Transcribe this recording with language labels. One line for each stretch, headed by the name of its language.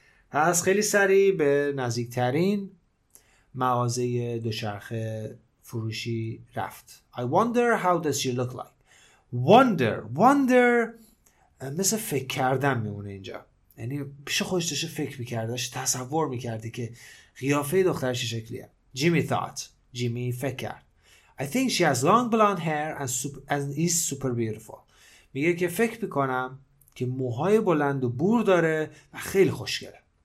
Persian: پس خیلی سریع به نزدیکترین مغازه دوچرخه فروشی رفت.
English: I wonder how does she look like.
Persian: wonder مثل فکر کردن میمونه اینجا، یعنی پیش خودش داشته فکر میکرده، داشته تصور میکرده که قیافه دختر چه شکلیه. جیمی thought، جیمی فکر کرد.
English: I think she has long blonde hair and is super beautiful.
Persian: میگه که فکر میکنم که موهای بلند و بور داره و خیلی خوشگله.